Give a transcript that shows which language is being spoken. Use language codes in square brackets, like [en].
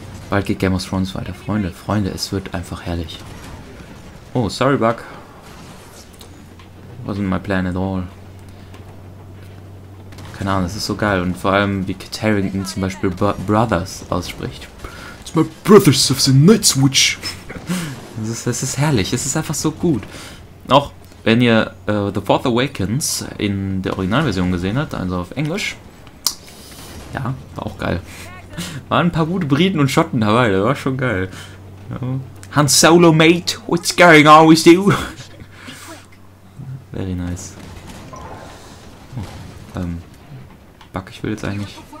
[de] Bald geht Game of Thrones weiter. Freunde, Freunde, es wird einfach herrlich. Oh, sorry, Buck. [en] Wasn't my plan at all. [de] Keine Ahnung, das ist so geil. Und vor allem, wie Kit Harington zum Beispiel Brothers ausspricht. [en] It's my brothers of the Night Switch. [de] Das ist herrlich. Es ist einfach so gut. Auch wenn ihr The Fourth Awakens in der Originalversion gesehen habt, also auf Englisch. Ja, war auch geil. Waren ein paar gute Briten und Schotten dabei. Das war schon geil. Ja. [en] Han Solo, mate, what's going on with you? Very nice. [de] Oh, Buck, ich will jetzt eigentlich...